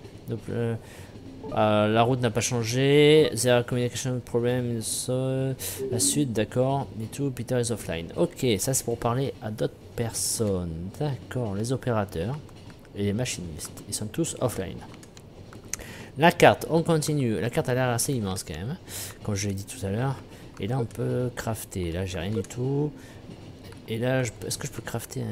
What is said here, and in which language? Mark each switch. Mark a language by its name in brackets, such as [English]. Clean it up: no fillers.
[French] Donc, la route n'a pas changé. [English] There are communication problems. [French] La suite, d'accord. [English] Me too, Peter is offline. [French] Ok, ça c'est pour parler à d'autres personnes. D'accord, les opérateurs et les machinistes. Ils sont tous offline. La carte, on continue. La carte a l'air assez immense quand même. Comme je l'ai dit tout à l'heure. Et là, on peut crafter. Là, j'ai rien du tout. Et là, est-ce que je peux crafter?